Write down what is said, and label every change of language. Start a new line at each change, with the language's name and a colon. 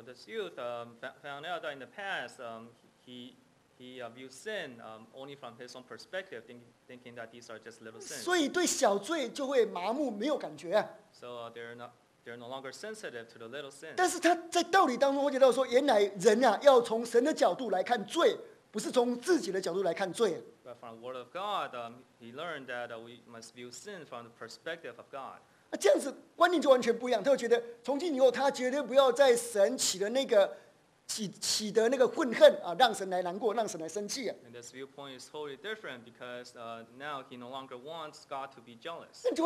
English: this youth found out that in the past, he viewed sin only from his own perspective, thinking that these are just little sins.
Chinese: 所以对小罪就会麻木，没有感觉。
English: So they're no longer sensitive to the little sins.
Chinese: 但是他在道理当中会觉得说，原来人啊要从神的角度来看罪，不是从自己的角度来看罪。
English: But from the word of God, he learned that we must view sin from the perspective of God.
Chinese: 这样子观念就完全不一样，他会觉得从今以后他绝对不要在神起的那个。起得那个愤恨，让神来难过，让神来生气。
English: And this viewpoint is totally different because now he no longer wants God to be jealous.